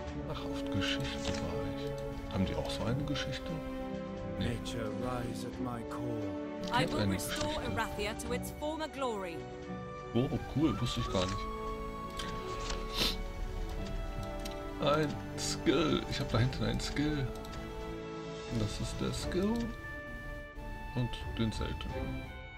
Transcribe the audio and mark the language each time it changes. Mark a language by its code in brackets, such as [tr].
[de] Ach, auf Geschichte war ich. Haben die auch so eine Geschichte? [en] Nee. Nature rise at my call. I will restore Arathia to its former glory. [de] Oh, cool, wusste ich gar nicht. Ein Skill. Ich habe da hinten einen Skill. Und das ist der Skill. Und den Zelten.